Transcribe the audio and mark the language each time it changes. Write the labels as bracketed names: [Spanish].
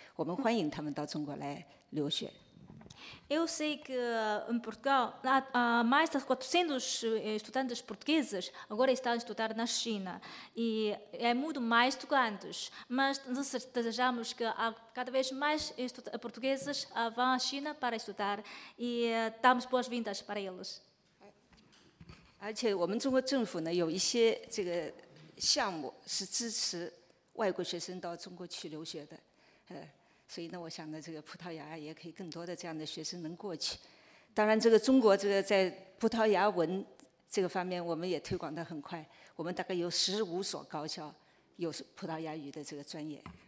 [Chinese] 我们欢迎他们到中国来留学。 [Portuguese] Eu sei que em Portugal há mais de 400 estudantes portugueses agora estão a estudar na China e é muito mais do que antes. Mas desejamos que há cada vez mais portugueses vão à China para estudar e damos boas-vindas para eles. [Chinese] 而且我们中国政府呢有一些这个项目是支持外国学生到中国去留学的，所以呢我想呢这个葡萄牙也可以更多的这样的学生能过去。当然这个中国这个在葡萄牙文这个方面我们也推广得很快，我们大概有15所高校有葡萄牙语的这个专业。